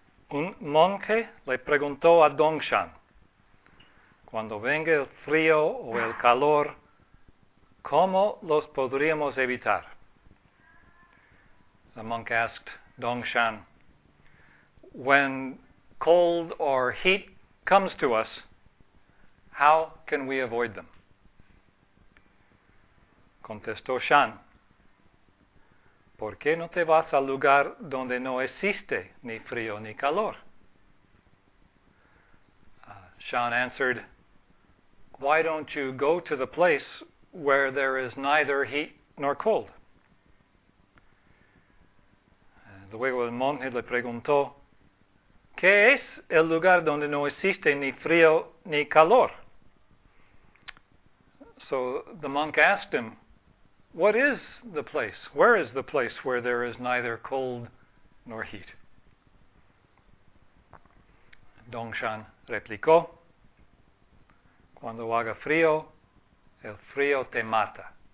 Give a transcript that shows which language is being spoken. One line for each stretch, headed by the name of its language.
Spanish: Un monje le preguntó a Dongshan, cuando venga el frío o el calor, ¿cómo los podríamos evitar?
English: The monk asked Dongshan, when cold or heat comes to us, how can we avoid them?
Spanish: Contestó Shan, ¿por qué no te vas al lugar donde no existe ni frío ni calor?
English: Shan answered, why don't you go to the place where there is neither heat nor cold?
Spanish: Luego el monje le preguntó, ¿qué es el lugar donde no existe ni frío ni calor?
English: So the monk asked him, what is the place? Where is the place where there is neither cold nor heat?
Spanish: Dongshan replicó, cuando haga frío, el frío te mata.